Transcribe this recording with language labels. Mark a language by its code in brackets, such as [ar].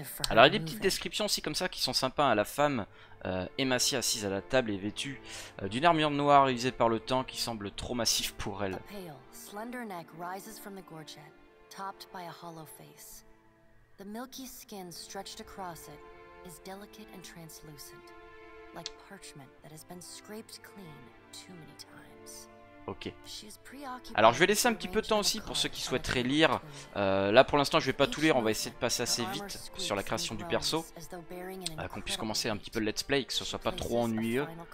[fr] Alors, il y a des petites descriptions aussi comme ça qui sont sympas. La femme émaciée assise à la table est vêtue d'une armure noire usée par le temps qui semble trop massive pour elle. [en] A pale, slender neck rises from the gorget, topped by a hollow face. The milky skin stretched across it is delicate and translucent, like parchment that has been scraped clean too many times. Ok. [fr] Alors je vais laisser un petit peu de temps aussi pour ceux qui souhaiteraient lire. Là pour l'instant je vais pas tout lire, on va essayer de passer assez vite sur la création du perso, qu'on puisse commencer un petit peu le let's play, que ce soit pas trop ennuyeux.